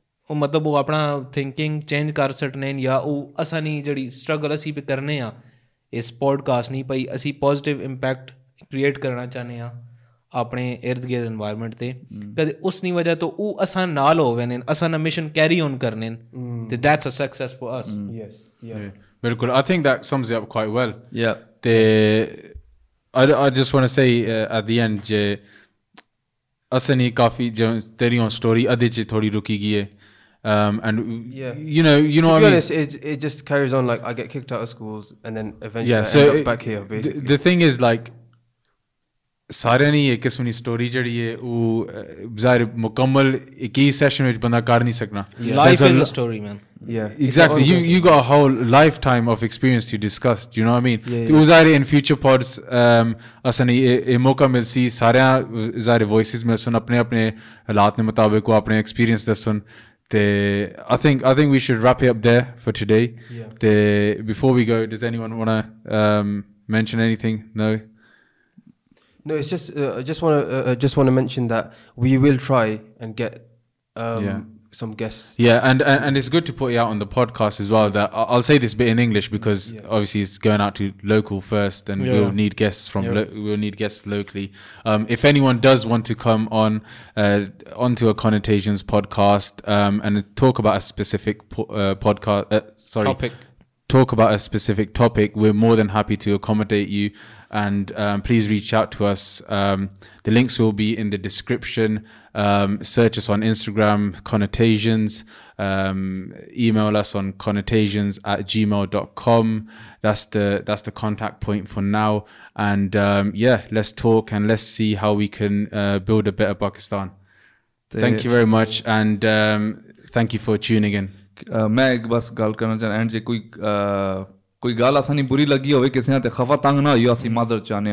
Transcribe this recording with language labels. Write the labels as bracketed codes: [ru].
[pa] ਉਹ ਮਤਲਬ ਉਹ ਆਪਣਾ ਥਿੰਕਿੰਗ ਚੇਂਜ ਕਰ ਸਕਣੇ ਜਾਂ ਉਹ ਅਸਾਂ ਦੀ ਜਿਹੜੀ ਸਟਰਗਲ ਅਸੀਂ ਵੀ ਕਰਨੇ ਹਾਂ ਇਸ ਪੋਡਕਾਸਟ ਨਹੀਂ ਭਾਈ ਅਸੀਂ ਪੋਜ਼ਿਟਿਵ ਇੰਪੈਕਟ ਕ੍ਰੀਏਟ ਕਰਨਾ ਚਾਹੁੰਦੇ ਹਾਂ ਆਪਣੇ ਇਰਦ ਗਿਰਦ ਇਨਵਾਇਰਮੈਂਟ 'ਤੇ ਕਦੇ ਉਸ ਦੀ ਵਜ੍ਹਾ ਤੋਂ ਉਹ ਅਸਾਂ ਨਾਲ ਹੋਵੇ ਨੇ ਅਸਾਂ ਨਾ ਮਿਸ਼ਨ ਕੈਰੀ ਔਨ ਕਰਨੇ ਅਤੇ [en] that's a success for us yes ਬਿਲਕੁਲ I think that sums it up quite well yeah [pa] ਤੇ [en] I just want to say at the end [pa] ਜੇ ਅਸਾਂ ਨੇ ਕਾਫੀ ਤੇਰੀ ਉਹ ਸਟੋਰੀ ਅਧੇ 'ਚ ਥੋੜ੍ਹੀ ਰੁਕੀ ਗਈ ਹੈ and yeah. [en] you know to be honest, it just carries on like I get kicked out of schools and then eventually yeah, so I end up back here basically the thing is like [pa] ਸਾਰਿਆਂ ਨੇ ਇਹ ਕਿਸਮ ਦੀ story ਜਿਹੜੀ ਹੈ ਉਹ ਜ਼ਾਹਿਰ ਮੁਕੰਮਲ ਇੱਕ ਹੀ ਸੈਸ਼ਨ ਵਿੱਚ ਬੰਦਾ ਕਰ ਨਹੀਂ ਸਕਣਾ [en] life is a story man yeah exactly you got a whole lifetime of experience to discuss you know I mean [pa] ਤੇ ਉਹ ਜ਼ਾਹਿਰ ਇਨ ਫਿਊਚਰ ਪੋਡਸ ਅਸਾਂ ਇਹ ਮੌਕਾ ਮਿਲ ਸੀ ਸਾਰਿਆਂ ਜ਼ਾਹਿਰ ਵੋਇਸਿਸ ਮਿਲ ਸੁਣ ਆਪਣੇ ਆਪਣੇ ਹਾਲਾਤ ਦੇ ਮੁਤਾਬਿਕ ਉਹ ਆਪਣੇ ਐਕਸਪੀਰੀਅੰਸ ਦੱਸਣ ਤੇ [en] I think we should wrap it up there for today ਤੇ before we go does anyone want to mention anything no No, it's just I just want to mention that we will try and get some guests. Yeah, and it's good to put you out on the podcast as well. That I'll say this bit in English because obviously it's going out to local first, and we'll need guests from we'll need guests locally. If anyone does want to come on onto a Connotations podcast and talk about a specific topic, we're more than happy to accommodate you. And please reach out to us. The links will be in the description. Search us on Instagram, Connotations. Email us on connotations@gmail.com. That's the contact point for now. And let's talk and let's see how we can build a better Pakistan. Thank you very much. And thank you for tuning in. [pa] ਕੋਈ ਗੱਲ ਅਸਾਂ ਨੀ ਬੁਰੀ ਲੱਗੀ ਹੋਵੇ ਕਿਸੇ ਤੇ ਖਫਾ ਤੰਗ ਨਾ ਹੋਈਓ ਅਸੀਂ ਮਾਦਰ ਚਾਹੁੰਦੇ